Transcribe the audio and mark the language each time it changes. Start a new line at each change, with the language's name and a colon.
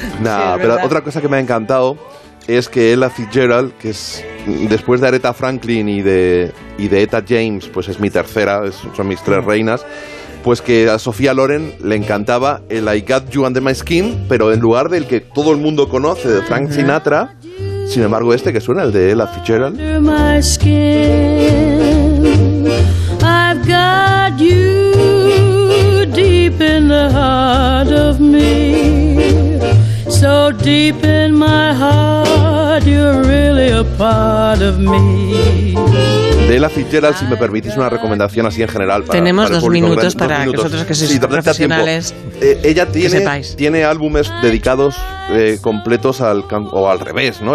Spanish: Nah, sí, es pero otra cosa que me ha encantado es que Ella Fitzgerald, que es después de Aretha Franklin y de Etta James, pues es mi tercera, son mis tres reinas. Pues que a Sofía Loren le encantaba el I Got You Under My Skin, pero en lugar del que todo el mundo conoce, de Frank Sinatra, sin embargo este que suena, el de Ella Fitzgerald.
English: Under my skin, I've got you deep in the heart of me, so deep in my heart, you're really a part of me.
Spanish: De Ella Fitzgerald, si me permitís una recomendación así en general. Tenemos dos minutos. Vosotros que sois profesionales. Ella tiene álbumes dedicados completos al o al revés, ¿no?